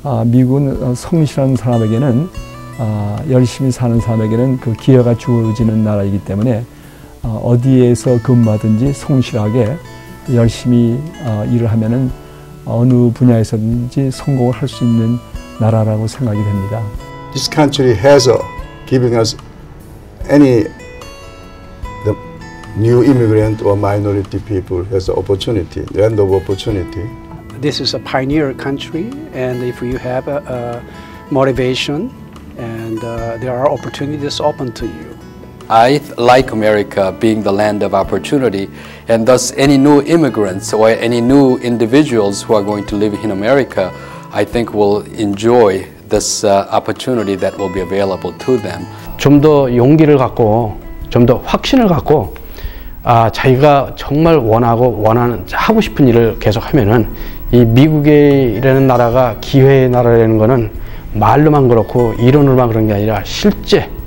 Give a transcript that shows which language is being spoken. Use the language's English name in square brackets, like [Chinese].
[Korean] 미국은 성실한 사람에게는, 열심히 사는 사람에게는 그 기회가 주어지는 나라이기 때문에 어디에서 근무하든지 성실하게 열심히 일을 하면은 어느 분야에서든지 성공을 할 수 있는 나라라고 생각이 됩니다. [English] This country has giving us any the new immigrant or minority people has opportunity, land of opportunity. This is a pioneer country, and if you have a motivation and there are opportunities open to you. I like America being the land of opportunity, and thus any new immigrants or any new individuals who are going to live in America, I think will enjoy this opportunity that will be available to them. [Korean] 좀 더 용기를 갖고, 좀 더 확신을 갖고, 자기가 정말 원하고 원하는 하고 싶은 일을 계속 하면은 이 미국이라는 나라가 기회의 나라라는 거는 말로만 그렇고 이론으로만 그런 게 아니라 실제